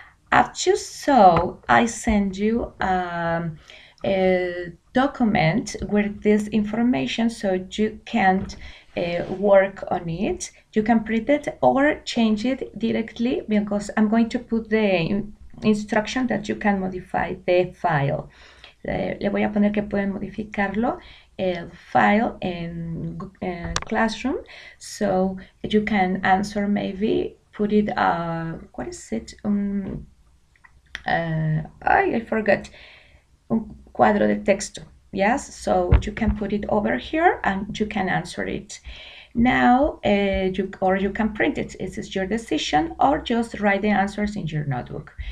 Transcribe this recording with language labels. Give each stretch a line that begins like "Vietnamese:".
English: As you saw, I sent you a document with this information so you can work on it. You can print it or change it directly because I'm going to put the instruction that you can modify the file.
Spanish: Le voy a poner que pueden modificarlo el file en Classroom.
English: So you can answer maybe, put it, what is it? I forgot.
Spanish: Un cuadro de texto.
English: Yes, so you can put it over here and you can answer it. Now, you can print it. It is your decision, or just write the answers in your notebook.